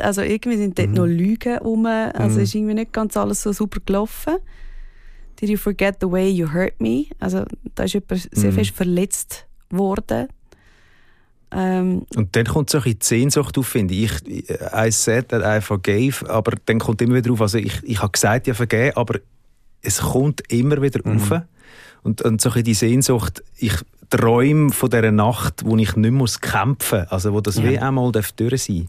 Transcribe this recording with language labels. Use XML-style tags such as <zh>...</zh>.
<de>Also irgendwie sind dort noch Lügen rum. Also ist irgendwie nicht ganz alles so super gelaufen.</de> <en>Did you forget the way you hurt me?</en> <de>Also da ist jemand sehr fest verletzt worden. Und dann kommt so ein bisschen die Sehnsucht auf, finde ich.</de> <en>I said that I forgave,</en> <de>aber dann kommt immer wieder auf, also ich habe gesagt, ja vergeben, aber es kommt immer wieder auf. Und so ein bisschen die Sehnsucht, ich träume von dieser Nacht, wo ich nicht mehr kämpfen muss, also wo das wie einmal durch sein darf.</de>